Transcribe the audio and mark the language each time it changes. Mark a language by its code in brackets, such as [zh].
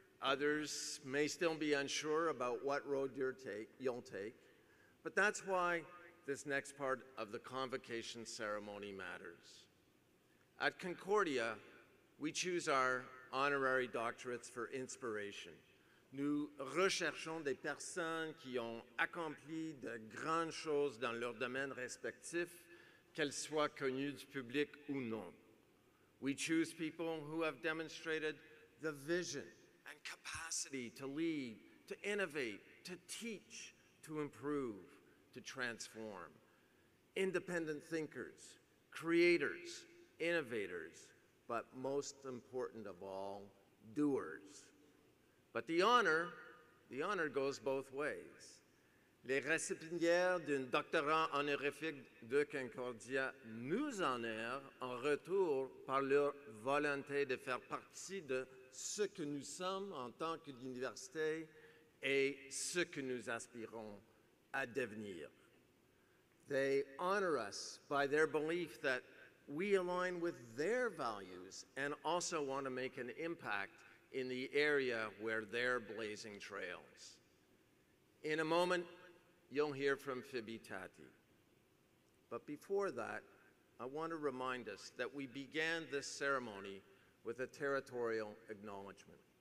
[en] Others may still be unsure about what road you'll take. But that's why this next part of the convocation ceremony matters. At Concordia, we choose our honorary doctorates for inspiration. [fr] Nous recherchons des personnes qui ont accompli de grandes choses dans leur domaine respectif, qu'elles soient connues du public ou non. [en] We choose people who have demonstrated the vision and capacity to lead, to innovate, to teach, to improve, to transform. Independent thinkers, creators, innovators, but most important of all, doers. But the honor goes both ways. [fr] Les récipiendaires d'un doctorat honorifique de Concordia nous honorent en retour par leur volonté de faire partie de ce que nous sommes en tant qu'université et ce que nous aspirons à devenir. [en] They honor us by their belief that we align with their values and also want to make an impact in the area where they're blazing trails. In a moment, you'll hear from Phoebe Tati. But before that, I want to remind us that we began this ceremony with a territorial acknowledgement.